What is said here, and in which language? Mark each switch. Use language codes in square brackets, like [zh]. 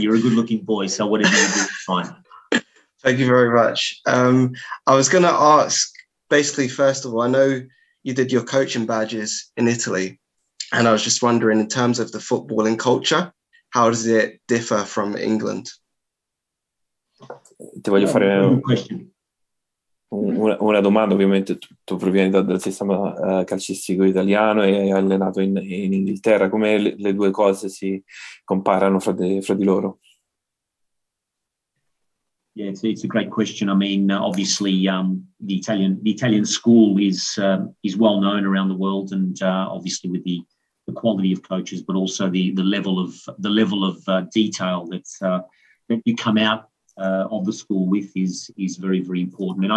[en] You're a good looking boy, so whatever you do, fine. Thank you very much. I was going to ask, basically, first of all, I know you did your coaching badges in Italy, and I was just wondering, in terms of the footballing culture, how does it differ from England? [it] Ti voglio fare una domanda, ovviamente tu provieni dal sistema calcistico italiano e hai allenato in Inghilterra, come le due cose si comparano fra di loro? [en] Yeah, it's a great question. I mean, obviously the Italian school is well known around the world, and obviously with the quality of coaches, but also the level of detail that you come out of the school with is very, very important.